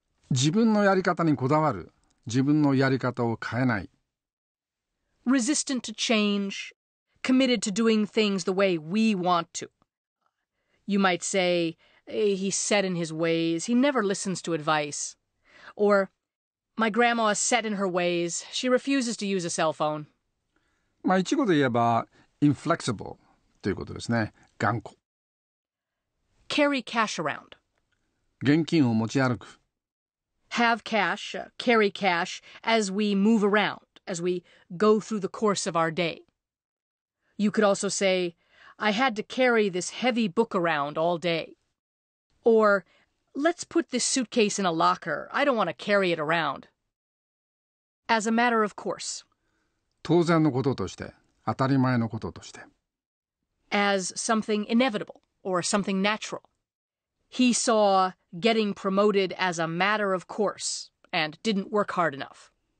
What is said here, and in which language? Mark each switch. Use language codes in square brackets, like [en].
[ja] 自分のやり方にこだわる。自分のやり方を変えない。 [en] Resistant to change. Committed to doing things the way we want to. You might say, he's set in his ways. He never listens to advice. Or, my grandma is set in her ways. She refuses to use a cell phone. [ja] まあ一語で言えば、inflexible ということですね。頑固。 [en] Carry cash around. [ja] 現金を持ち歩く。 [en] Have cash, carry cash, as we move around, as we go through the course of our day. You could also say, I had to carry this heavy book around all day. Or, let's put this suitcase in a locker. I don't want to carry it around. As a matter of course. [ja] 当然のこととして、当たり前のこととして。 [en] As something inevitable or something natural. He saw getting promoted as a matter of course and didn't work hard enough.